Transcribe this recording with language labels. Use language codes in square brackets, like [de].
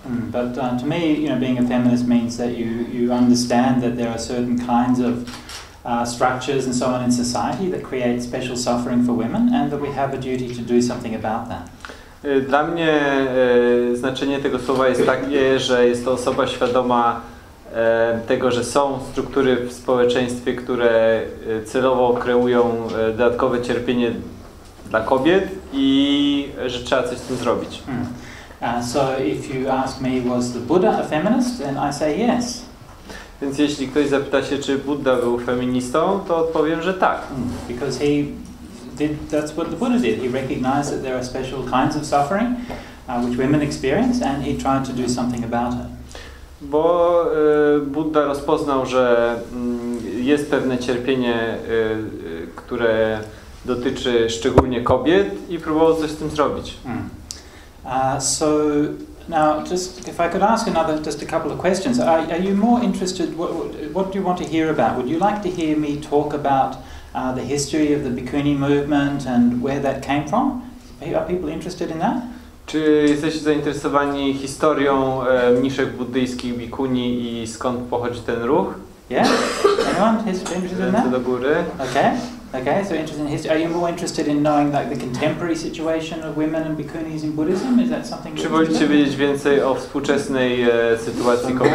[en] But to me, you know, being a feminist means that you understand that there are certain kinds of structures and so on in society that create special suffering for women and that we have a duty to do something about that. [pl] Dla mnie znaczenie tego słowa jest takie, że jest to osoba świadoma tego, że są struktury w społeczeństwie, które celowo kreują dodatkowe cierpienie dla kobiet i że trzeba coś z tym zrobić. [en] So if you ask me, was the Buddha a feminist, then I say yes. [pl] Więc jeśli ktoś zapyta się, czy Buddha był feministą, to odpowiem, że tak. [en] Because he did, that's what the Buddha did. He recognized that there are special kinds of suffering which women experience and he tried to do something about it. [pl] Bo Buddha rozpoznał, że jest pewne cierpienie, które dotyczy szczególnie kobiet i próbował coś z tym zrobić. [en] So now just if I could ask another just a couple of questions. Are you more interested what do you want to hear about? Would you like to hear me talk about the history of the bikini movement and where that came from? Are people interested in that? [pl] Czy jesteście zainteresowani historią mniszek buddyjskich, bikuni i skąd pochodzi ten ruch? [en] Yeah. Anyone interested in that? [pl] Do góry. [en] Okay, so interested in history. Are you more interested in knowing like the contemporary situation of women and bikunis in Buddhism? Is that something? [pl] Czy wolicie wiedzieć więcej o współczesnej sytuacji kobiet?